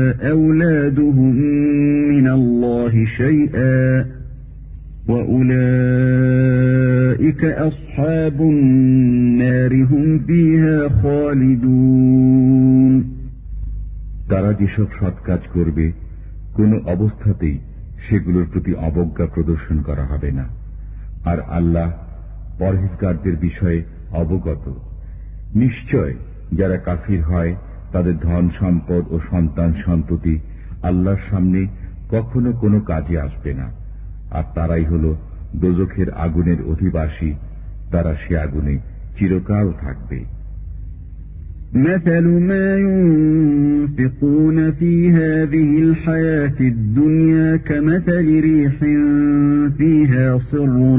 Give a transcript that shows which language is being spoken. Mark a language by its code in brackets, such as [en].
[ar] أولادهم من الله شيئا وأولئك أصحاب النار هم فيها خالدون [bn] তারা যেসব সৎ কাজ করবে কোন অবস্থাতেই সেগুলোর প্রতি অবজ্ঞা প্রদর্শন করা হবে না, আর আল্লাহ পরহেজগারদের বিষয়ে অবগত। নিশ্চয় যারা কাফির হয় তাদের ধন সম্পদ ও সন্তান সন্ততি আল্লাহর সামনে কখনো কোনো কাজে আসবে না, আর তারাই হল দোজখের আগুনের অধিবাসী, তারা সে আগুনে চিরকাল থাকবে। [ar] مثل ما ينفقون في هذه الحياة الدنيا كمثل ريح فيها صر